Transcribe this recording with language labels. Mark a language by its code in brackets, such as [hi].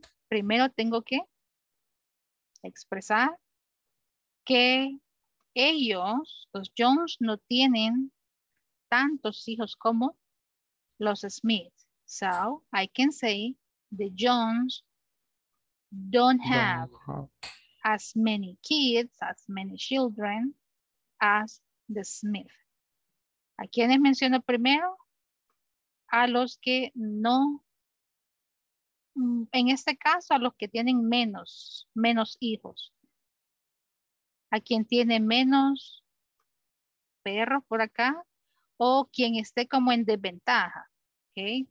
[es] Primero tengo que expresar que ellos, los Jones, no tienen tantos hijos como los Smith. [en] So I can say the Jones don't have as many kids, as many children as the Smith. [es] ¿A quiénes menciono primero? A los que no, en este caso, a los que tienen menos hijos. A quien tiene menos perros por acá, o quien esté como en desventaja. ¿Okay?